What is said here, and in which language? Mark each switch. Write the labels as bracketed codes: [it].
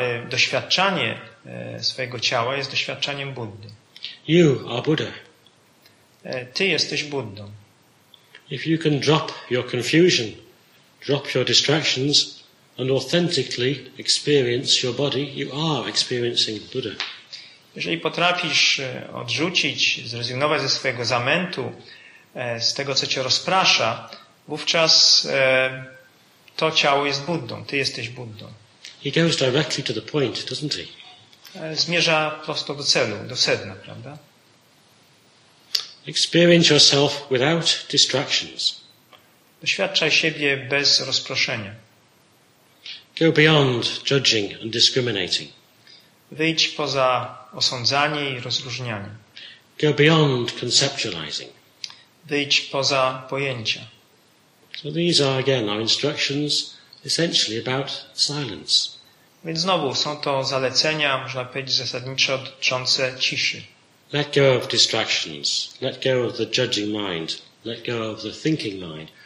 [pl] Doświadczanie swojego ciała jest doświadczaniem Buddy. [en] You are Buddha. [pl] Ty jesteś Buddą. [en] If you can drop your confusion, drop your distractions, and authentically experience your body, you are experiencing Buddha. [pl] Jeżeli potrafisz odrzucić, zrezygnować ze swojego zamętu, z tego, co cię rozprasza, wówczas to ciało jest Buddą. Ty jesteś Buddą. [en] He goes directly to the point, doesn't he? [pl] Zmierza prosto do celu, do sedna, prawda? [en] Experience yourself without distractions. [pl] Doświadczaj siebie bez rozproszenia. [en] Go beyond judging and discriminating. [pl] Wyjdź poza osądzanie i rozróżnianie. [en] Go beyond conceptualizing. [pl] Wyjdź poza pojęcia. [en] So these are again our instructions essentially about silence. [pl] Więc znowu są to zalecenia, można powiedzieć, zasadniczo dotyczące ciszy. [en] Let go of distractions. Let go of the judging mind. Let go of the thinking mind.